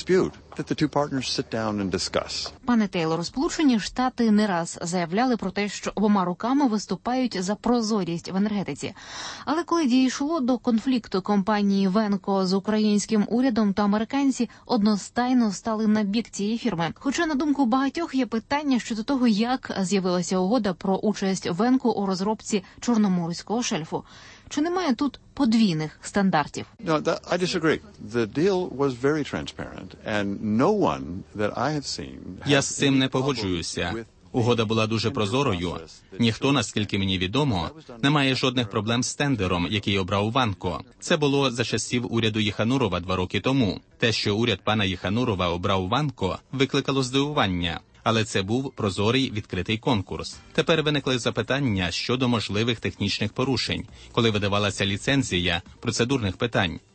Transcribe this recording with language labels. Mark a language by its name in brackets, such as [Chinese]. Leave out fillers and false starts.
[English] road that the two partners sit down and discuss. [Ukrainian] Пане Тейлор, Сполучені Штати не раз заявляли про те, що обома руками виступають за прозорість в енергетиці. Але коли дійшло до конфлікту компанії Венко з українським урядом, то американці одностайно стали на бік цієї фірми. Хоча, на думку багатьох, є питання щодо того, як з'явилася угода про участь Венко у розробці Чорноморського шельфу. Чи немає тут подвійних стандартів? [English] No, I disagree. The deal was very transparent and no one that I have seen. [Ukrainian] Я з цим не погоджуюся. Угода була дуже прозорою. Ніхто, наскільки мені відомо, не має жодних проблем з тендером, який обрав Ванко. Це було за часів уряду Єханурова 2 роки тому. Те, що уряд пана Єханурова обрав Ванко, викликало здивування. Але це був прозорий відкритий конкурс. Тепер виникли запитання щодо можливих технічних порушень, коли видавалася ліцензія процедурних питань.